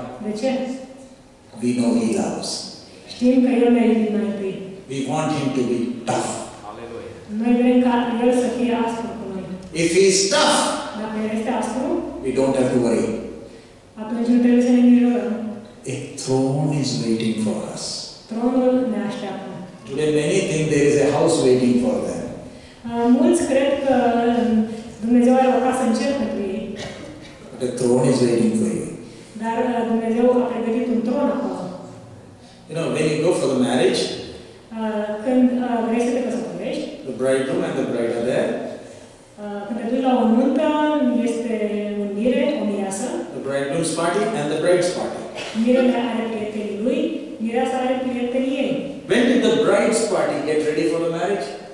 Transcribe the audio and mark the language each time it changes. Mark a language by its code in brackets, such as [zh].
[ro] De ce? [en] We know he loves. [ro] Știm că El ne-a iubit mai întâi. [en] We want him to be tough. [ro] Noi vrem ca El să fie aspru cu noi. [en] If he is tough, [ro] dacă El este aspru, [en] we don't have to worry. [ro] Atunci nu trebuie să ne îngrijorăm. [en] A throne is waiting for us. [ro] Tronul ne așteaptă. [en] Today many think there is a house waiting for them. [ro] Mulți cred că Dumnezeu are o casă în cer pentru ei. [en] But the throne is waiting for you. [ro] Dar Dumnezeu a pregătit un tron acolo. [en] You know, when you go for the marriage, [ro] când vrei să te căsătorești, [en] the bridegroom and the bride are there. [ro] Când te duci la o nuntă, este un mire, o mireasă. [en] The bridegroom's party and the bride's party. [ro] Mirele are prietenii lui, mireasa are prietenii ei. [en] When did the bride's party get ready for the marriage?